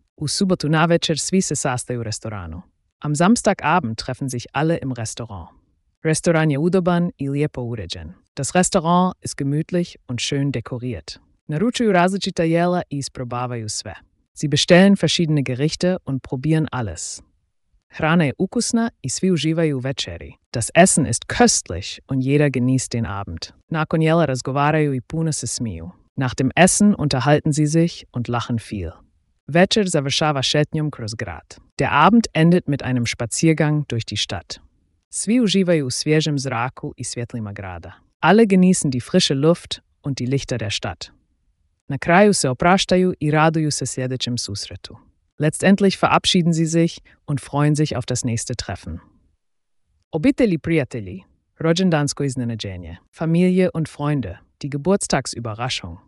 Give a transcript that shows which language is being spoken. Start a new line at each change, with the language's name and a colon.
Croatian: U subotu navečer svi se sastaju u restoranu.
German: Am Samstagabend treffen sich alle im Restaurant.
Croatian: Restoran je udoban i lijepo uređen.
German: Das Restaurant ist gemütlich und schön dekoriert.
Croatian: Naručuju različita jela i isprobavaju sve.
German: Sie bestellen verschiedene Gerichte und probieren alles.
Croatian: Hrana je ukusna i svi uživaju večeri.
German: Das Essen ist köstlich und jeder genießt den Abend.
Croatian: Nakon jela razgovaraju i puno se smiju.
German: Nach dem Essen unterhalten sie sich und lachen viel.
Croatian: Večer završava šetnjom kroz grad.
German: Der Abend endet mit einem Spaziergang durch die Stadt.
Croatian: Svi uživaju u svježem zraku i svjetlima grada.
German: Alle genießen die frische Luft und die Lichter der Stadt.
Croatian: Na kraju se opraštaju i raduju se sljedećem susretu.
German: Letztendlich verabschieden sie sich und freuen sich auf das nächste Treffen.
Croatian: Obitelji prijatelji, rođendansko iznenađenje.
German: Familie und Freunde, die Geburtstagsüberraschung.